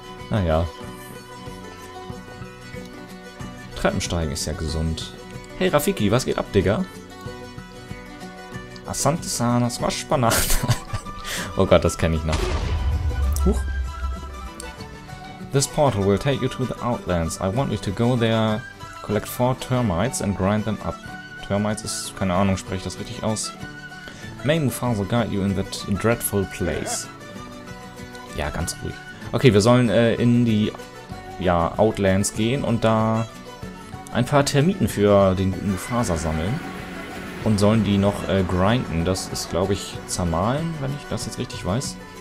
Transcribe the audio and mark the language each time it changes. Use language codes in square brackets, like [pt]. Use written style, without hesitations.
[de] Naja. Treppensteigen ist ja gesund. Hey Rafiki, was geht ab, Digga? [sw] Asante Sanas Waschbanat. [de] Oh Gott, das kenne ich noch. Huch. [en] This portal will take you to the Outlands. I want you to go there, collect 4 termites and grind them up. [de] Termites ist, keine Ahnung, spreche ich das richtig aus? [en] May Mufasa guide you in that dreadful place. [de] Ja, ganz ruhig. Okay, wir sollen in die Outlands gehen und da ein paar Termiten für den guten Mufasa sammeln. Und sollen die noch grinden. Das ist, glaube ich, zermahlen, wenn ich das jetzt richtig weiß.